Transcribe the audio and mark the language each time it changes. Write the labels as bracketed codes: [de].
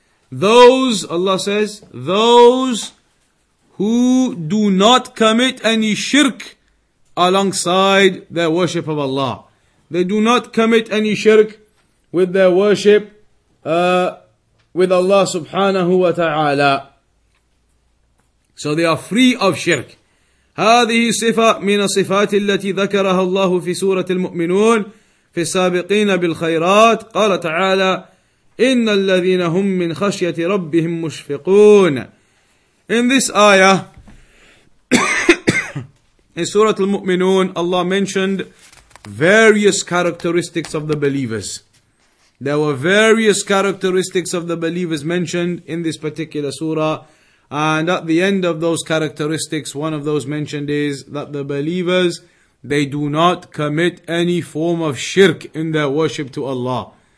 [en] Those, Allah says, those who do not commit any shirk alongside their worship of Allah. They do not commit any shirk with their worship with Allah subhanahu wa ta'ala. So they are free of shirk. [ar] هذه صفة من الصفات التي ذكرها الله في سورة المؤمنون في السابقين بالخيرات قال تعالى إِنَّ الَّذِينَ هُمْ مِنْ خَشْيَةِ رَبِّهِمْ مُشْفِقُونَ. [en] In this ayah, in Surah Al-Mu'minun, Allah mentioned various characteristics of the believers. There were various characteristics of the believers mentioned in this particular surah. And at the end of those characteristics, one of those mentioned is that the believers, they do not commit any form of shirk in their worship to Allah.